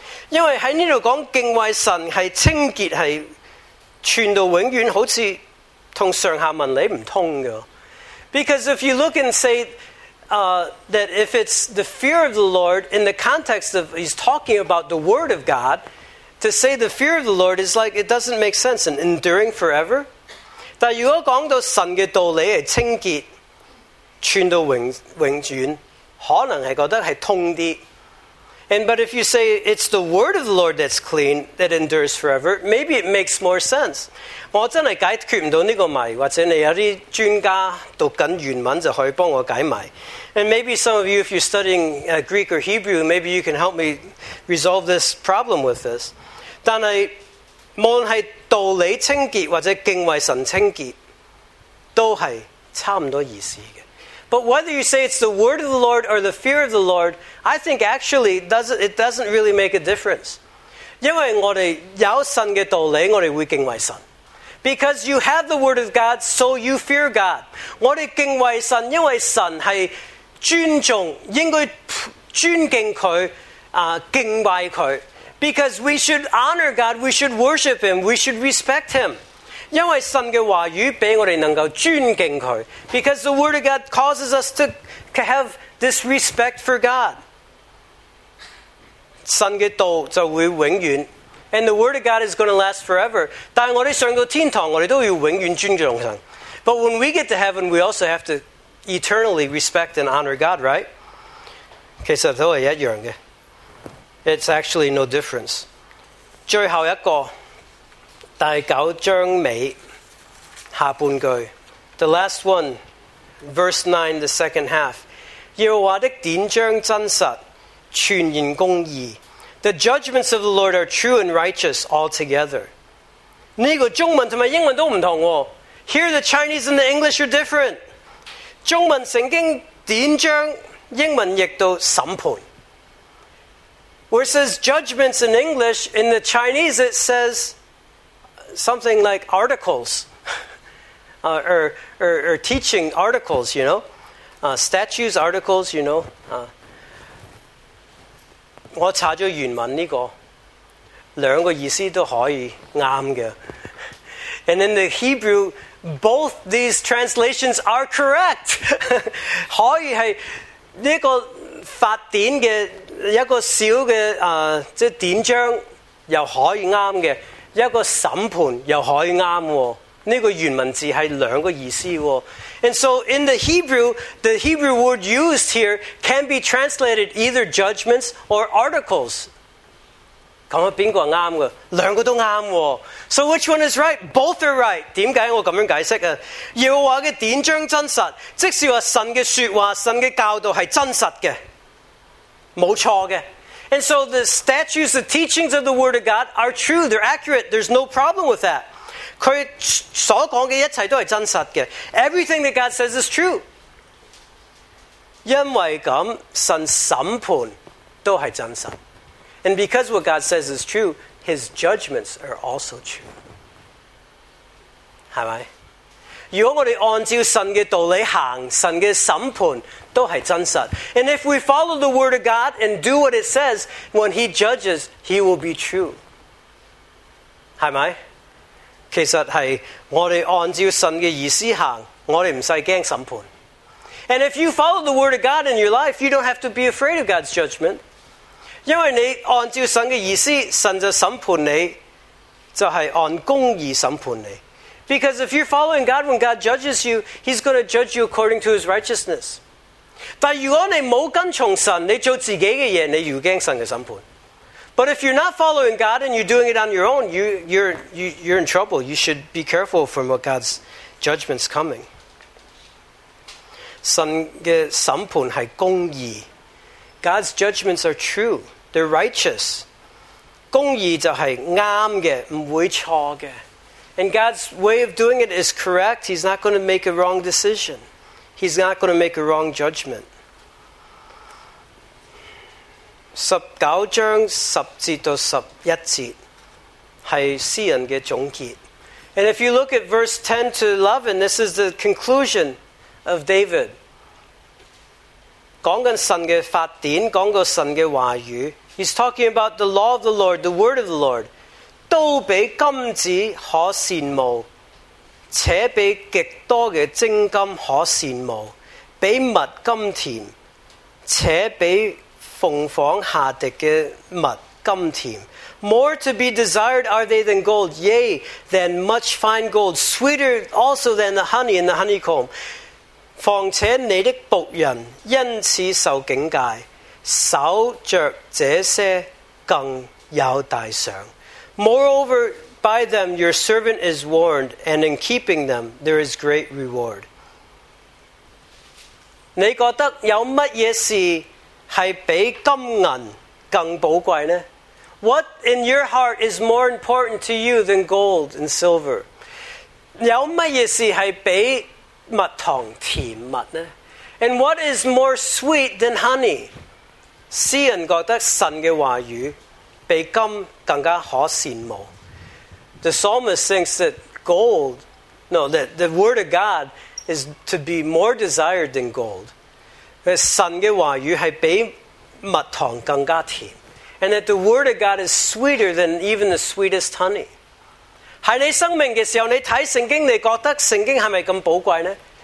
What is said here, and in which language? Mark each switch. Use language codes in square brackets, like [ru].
[yue] 因為喺呢度講敬畏神係清潔係存到永遠，好似。同上下文理唔通嘅 [en] ，because if you look and say that if it's the fear of the Lord in the context of he's talking about the Word of God, to say the fear of the Lord is like it doesn't make sense and enduring forever. [yue] 但如果讲到神嘅道理系清洁，存到永远，可能系觉得系通啲。 [en] And but if you say it's the word of the Lord that's clean that endures forever, maybe it makes more sense. [yue] 我真係解決唔到呢個謎，或者你有啲專家讀緊原文就可以幫我解謎。 [en] And maybe some of you, if you're studying Greek or Hebrew, maybe you can help me resolve this problem with this. [yue] 但係無論係道理清潔或者敬畏神清潔，都係差唔多意思嘅。 [en] But whether you say it's the word of the Lord or the fear of the Lord, I think actually it doesn't really make a difference. [yue] 因为我们有神的道理，我们会敬畏神。 [en] Because you have the word of God, so you fear God. [yue] 我们敬畏神，因为神是尊重，应该尊敬祂，敬畏祂。 [en] Because we should honor God, we should worship Him, we should respect Him. [yue] 因为神的话语比我们能够尊敬祂 [en] Because the word of God causes us to have this respect for God. [yue] 神的道就会永远 [en] And the word of God is going to last forever. [yue] 但我们上到天堂我们都要永远尊重神 [en] But when we get to heaven, we also have to eternally respect and honor God, right? [yue] 其实都是一样的 [en] It's actually no difference. [yue] 最后一个第九章尾下半句。 [en] The last one, verse 9, the second half. [yue] 耶和华的典章真实，全然公义。 [en] The judgments of the Lord are true and righteous altogether. [yue] 这个中文和英文都不同哦。 [en] Here the Chinese and the English are different. [yue] 中文圣经典章，英文亦都审判。 [en] Where it says judgments in English, in the Chinese it says something like articles, or teaching articles, you know. Statutes, articles, you know. [yue] 我查了原文这个，两个意思都可以对的。 [en] And in the Hebrew, both these translations are correct. [yue] 可以是这个法典的一个小的即典章又可以啱嘅，一个审判又可以啱喎。这个原文字是两个意思喎。 [en] And so in the Hebrew word used here can be translated either judgments or articles. [yue] 咁边个啱嘅？两个都啱喎。 [en] So which one is right? Both are right. [yue] 点解我咁样解释啊？耶和华嘅典章真实，即是话神嘅说话、神嘅教导系真实嘅。 [en] And so the statutes, the teachings of the Word of God are true. They're accurate. There's no problem with that. [yue] 他所讲的一切都是真实的。 [en] Everything that God says is true. [yue] 因为这样神审判都是真实。 [en] And because what God says is true, His judgments are also true. [yue] 是吧？如果我们按照神的道理行，神的审判都是真实。 [en] And if we follow the word of God and do what it says, when he judges, he will be true. [yue] 是吗？其实是我们按照神的意思行，我们不用怕审判。 [en] And if you follow the word of God in your life, you don't have to be afraid of God's judgment. [yue] 因为你按照神的意思，神就审判你，就是按公义审判你。 [en] Because if you're following God, when God judges you, He's going to judge you according to His righteousness. [yue] 但如果你没跟从神，你做自己的事，你要惊神的审判。 [en] But if you're not following God and you're doing it on your own, you're in trouble. You should be careful from what God's judgment's coming. [yue] 神的审判是公义。 [en] God's judgments are true. They're righteous. [yue] 公义就是啱的，不会错的。 [en] And God's way of doing it is correct. He's not going to make a wrong decision. He's not going to make a wrong judgment. [yue] 19章10節到11節是詩人的總結。 [en] And if you look at verse 10 to 11, this is the conclusion of David. [yue] 講緊神的法典，講過神的話語。 [en] He's talking about the law of the Lord, the word of the Lord. [yue] 都比金子可羡慕，且比极多的精金可羡慕，比蜜甘甜，且比凤凰下滴的蜜甘甜。 [en] More to be desired are they than gold, yea, than much fine gold, sweeter also than the honey in the honeycomb. [yue] 况且你的仆人因此受警戒，守着这些更有大赏。 [en] Moreover, by them your servant is warned, and in keeping them there is great reward. [yue] 你觉得有乜嘢事系比金银更宝贵呢？ [en] What in your heart is more important to you than gold and silver? [yue] 有乜嘢事系比蜜糖甜蜜呢？ [en] And what is more sweet than honey? [yue] 诗人觉得神嘅话语。比金更加可羡慕。 [en] The psalmist thinks that gold, no, that the word of God is to be more desired than gold. [yue] 神的话语是比蜜糖更加甜。 [en] And that the word of God is sweeter than even the sweetest honey. [yue] 在你生命的时候，你看圣经，你觉得圣经是不是这么宝贵呢？